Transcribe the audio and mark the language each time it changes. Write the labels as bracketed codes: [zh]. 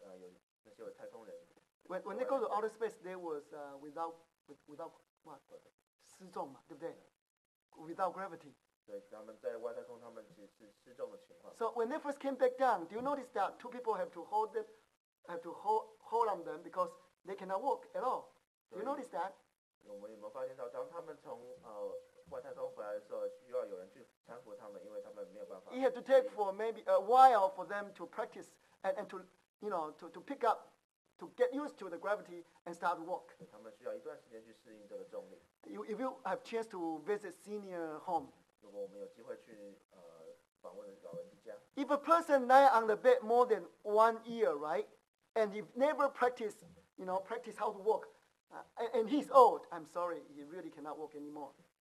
[zh] 所以，当我们看，我们之前看到有那些有太空人。 [en] When they go to outer space, they was without what? [zh] 失重嘛，对不对？ [en] Without gravity. [zh] 对，他们在外太空，他们其实是失重的情况。 [en] So when they first came back down, do you notice that two people have to hold on them because they cannot walk at all? Do you notice that? [zh] 我们有没有发现到，当他们从外太空回来的时候，需要有人去搀扶他们，因为他们没有办法。 [en] It had to take for maybe a while for them to practice and to you know to pick up, to get used to the gravity and start to walk. [zh] 他们需要一段时间去适应这个重力。 [en] If you have chance to visit senior home. [zh] 如果我们有机会去访问老人家。 [en] If a person lie on the bed more than 1 year, right, and he never practice, you know, practice how to walk, and he's old, I'm sorry, he really cannot walk anymore.